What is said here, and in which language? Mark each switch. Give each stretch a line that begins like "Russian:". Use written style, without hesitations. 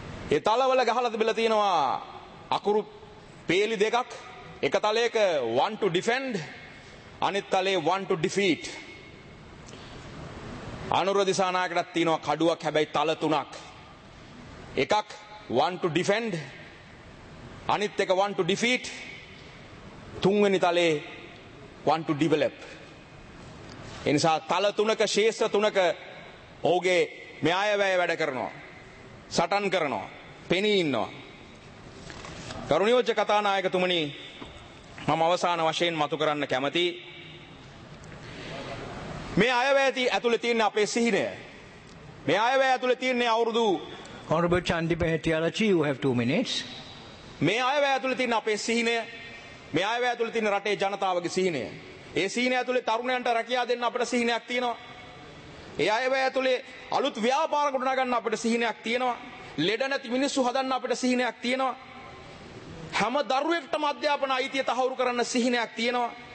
Sinhala: ඒ තලවල ගහලා තිබිලා තියෙනවා අකුරු පේලි දෙකක්. එක තලයක
English: 1 to defend,
Sinhala: අනිත් තලයේ
English: 1 to defeat.
Sinhala: අනුරුව දිසානායකටත් තියෙනවා කඩුවක්, හැබැයි තල තුනක්. එකක්
English: 1 to defend,
Sinhala: අනිත් එක
English: 1 to defeat,
Sinhala: තුන්වෙනි තලයේ
English: 1 to develop.
Sinhala: එනිසා තල තුනක, ශේෂ්ත්‍ර තුනක ඔහුගේ මේ අයවැය වැඩ කරනවා, සටන් කරනවා, පෙනී ඉන්නවා. කරුණියෝජ්‍ය කතානායකතුමනි, මම අවසාන වශයෙන් මතු කරන්න කැමති මේ අයවැය ඇතුලේ තියෙන අපේ සිහිනය. මේ අයවැය ඇතුලේ තියෙන අවුරුදු
English: Honorable Chandipa Hettiarachchi, you have 2 minutes.
Sinhala: මේ අයවැය ඇතුලේ තියෙන අපේ සිහිනය, මේ අයවැය ඇතුලේ තියෙන රටේ ජනතාවගේ සිහිනය. ඒ සීනය ඇතුලේ තරුණයන්ට රැකියා දෙන්න අපිට සීනයක් තියෙනවා. ඒ අයවැය ඇතුලේ අලුත් ව්‍යාපාර ගොඩනගා ගන්න අපිට සීනයක් තියෙනවා. ලෙඩ නැති මිනිස්සු හදන්න අපිට සීනයක් තියෙනවා. හැම දරුවෙක්ටම අධ්‍යාපන අයිතිය තහවුරු කරන්න සීනයක් තියෙනවා.